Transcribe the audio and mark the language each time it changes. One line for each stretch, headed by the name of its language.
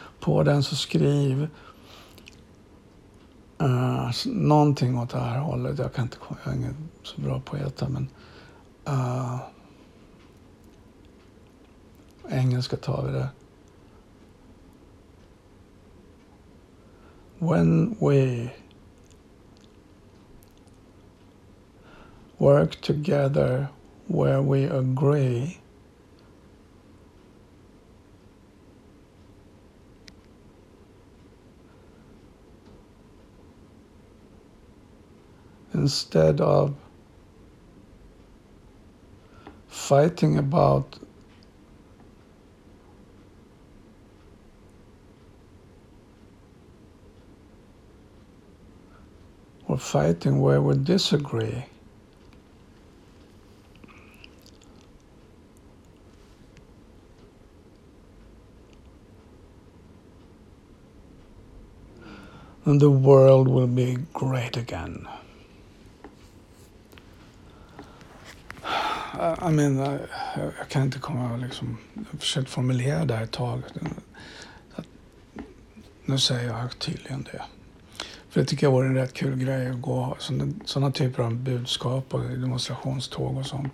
Swedish: På den så skriv någonting åt det här hållet. Jag kan inte, jag är ingen så bra poeta, men engelska tar vi det.
English: When we work together where we agree, instead of fighting about or fighting where we disagree, and the world will be great again. I mean,
Swedish: jag kan inte komma och liksom, jag försökte formulera det här ett tag. Nu säger jag tydligen det. För det tycker jag vore en rätt kul grej att gå sådana typer av budskap och demonstrationståg och sånt.